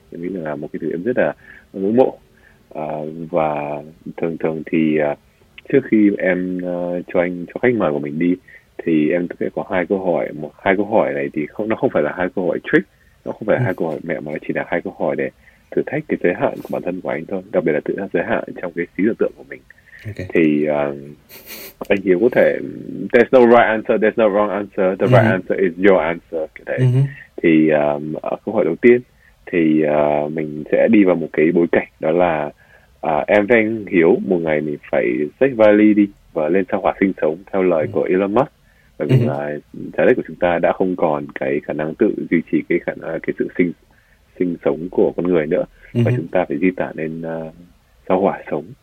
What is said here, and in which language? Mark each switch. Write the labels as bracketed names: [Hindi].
[Vietnamese] Em nghĩ rằng là một cái thứ em rất là ngưỡng mộ. Và thường thường thì trước khi em cho khách mời của mình đi thì em sẽ có hai câu hỏi. Hai câu hỏi này thì không phải là hai câu hỏi mẹo, mà nó chỉ là hai câu hỏi để thử thách cái giới hạn của bản thân của anh thôi, đặc biệt là tự giới hạn trong cái trí tưởng tượng của mình. Thì anh Hiếu có thể [English] there's no right answer, there's no wrong answer, the right answer is your answer. [Vietnamese] Thì câu hỏi đầu tiên thì mình sẽ đi vào một cái bối cảnh, đó là em với anh Hiếu một ngày mình phải xách vali đi và lên sao Hỏa sinh sống theo lời của Elon Musk, bởi vì là trái đất của chúng ta đã không còn cái khả năng tự duy trì cái sự sinh sống của con người nữa, và chúng ta phải di tản lên sao Hỏa sống.